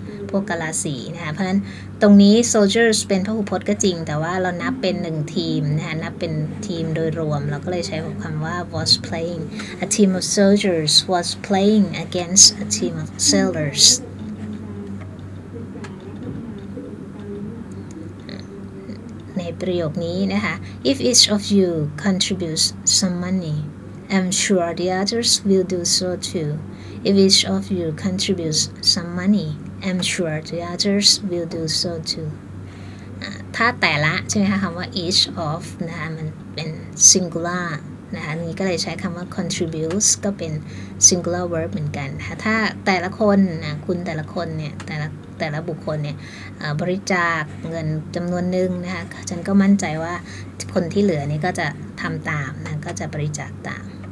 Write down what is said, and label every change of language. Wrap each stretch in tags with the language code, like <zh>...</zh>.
<th>พวกกะลาสีนะคะเพราะฉะนั้นตรงนี้ soldiers เป็นพหูพจน์ก็จริงแต่ว่าเรานับเป็น1ทีมนะคะนับเป็นทีมโดยรวมเราก็เลยใช้คำว่า</th> <en>was playing a team of soldiers was playing against a team of sailors</en> <th>ในประโยคนี้นะคะ</th> <en>if each of you contributes some moneyI'm sure the others will do so too. If each of you contributes some money, I'm sure the others will do so too.</en> <th>ถ้าแต่ละใช่ไหมคะคำว่า each of นะคะมันเป็น singular นะคะนี้ก็เลยใช้คำว่า contributes ก็เป็น singular verb เหมือนกันค่ะถ้าแต่ละคนนะคุณแต่ละคนเนี่ยแต่ละบุคคลเนี่ยบริจาคเงินจำนวนหนึ่งนะคะฉันก็มั่นใจว่าคนที่เหลือนี่ก็จะทำตามนะก็จะบริจาคตาม</th>